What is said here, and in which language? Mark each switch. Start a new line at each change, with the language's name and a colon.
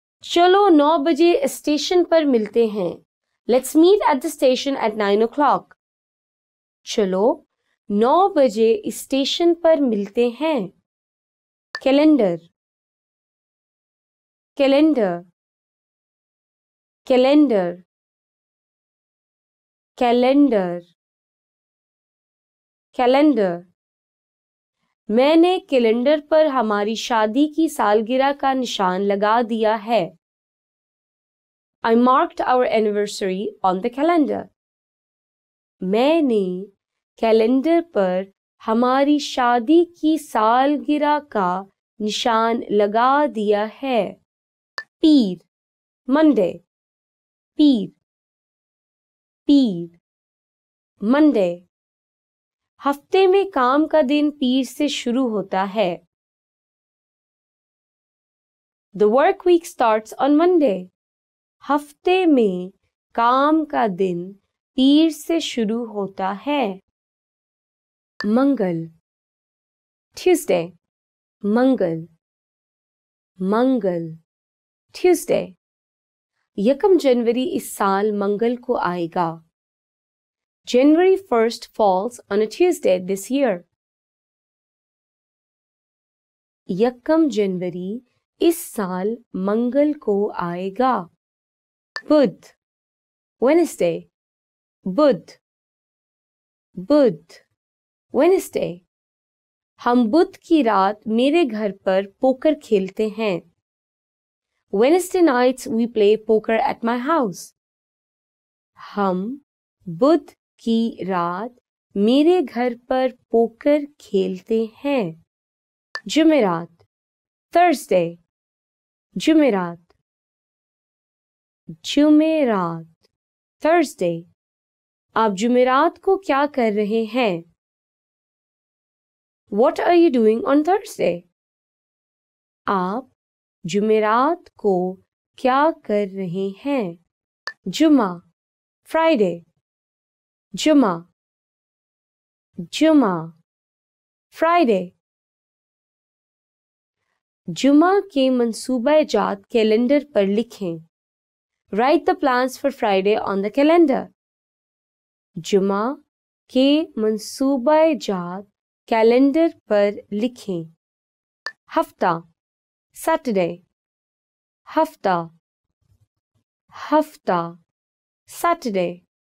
Hindi: चलो 9 बजे स्टेशन पर मिलते हैं.
English: Let's meet at the station at 9 o'clock.
Hindi: चलो 9 बजे स्टेशन पर मिलते हैं. Calendar. Calendar. Calendar. Calendar. Calendar. मैंने कैलेंडर पर हमारी शादी की सालगिरह का निशान लगा दिया है.
English: I marked our anniversary on the calendar.
Hindi: मैंने कैलेंडर पर हमारी शादी की सालगिरह का निशान लगा दिया है. पीर. मंडे. पीर. पीर. मंडे. हफ्ते में काम का दिन पीर से शुरू होता है.
English: The work week starts on Monday.
Hindi: हफ्ते में काम का दिन पीर से शुरू होता है. मंगल. ट्यूसडे. मंगल. मंगल. ट्यूसडे. 1 जनवरी इस साल मंगल को आएगा.
English: January 1st falls on a Tuesday this year.
Hindi: 1 जनवरी इस साल मंगल को आएगा. बुध.
English: Wednesday.
Hindi: बुध. बुध. Wednesday. हम बुध की रात मेरे घर पर पोकर खेलते हैं.
English: Wednesday nights we play poker at my house.
Hindi: हम बुध की रात मेरे घर पर पोकर खेलते हैं. जुमेरात.
English: Thursday.
Hindi: जुमेरात. जुमेरात.
English: Thursday.
Hindi: आप जुमेरात को क्या कर रहे हैं?
English: What are you doing on Thursday?
Hindi: आप जुमेरात को क्या कर रहे हैं? जुमा.
English: Friday.
Hindi: जुमा. जुमा. Friday. जुमा के मंसूबा जात कैलेंडर पर लिखें.
English: Write the plans for Friday on the calendar.
Hindi: जुमा के मंसूबा जात कैलेंडर पर लिखें. हफ्ता.
English: Saturday.
Hindi: हफ्ता. हफ्ता. Saturday.